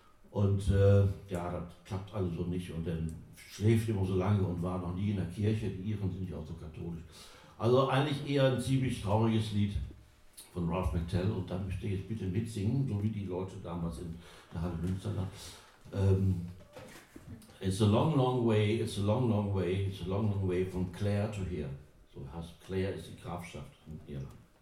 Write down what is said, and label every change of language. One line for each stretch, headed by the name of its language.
German: Und ja, das klappt alles so nicht. Und dann schläft immer so lange und war noch nie in der Kirche. Die Iren sind ja auch so katholisch. Also eigentlich eher ein ziemlich trauriges Lied von Ralph McTell. Und da möchte ich jetzt bitte mitsingen, so wie die Leute damals in der Halle Münsterland.
English: It's a long, long way, it's a long, long way, it's a long, long way from Clare to here.
German: So heißt Clare ist die Grafschaft in Irland.